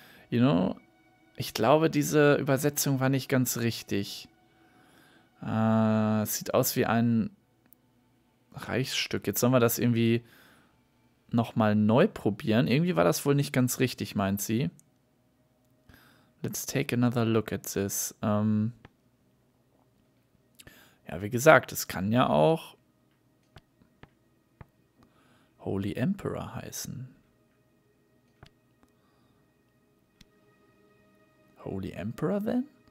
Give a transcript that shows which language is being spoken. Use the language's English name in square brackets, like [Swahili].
[English] You know, [German] ich glaube, diese Übersetzung war nicht ganz richtig. Sieht aus wie ein Reichsstück. Jetzt sollen wir das irgendwie nochmal neu probieren. Irgendwie war das wohl nicht ganz richtig, meint sie. [English] Let's take another look at this. [German] Ja, wie gesagt, es kann ja auch Holy Emperor heißen. [English] Holy Emperor then?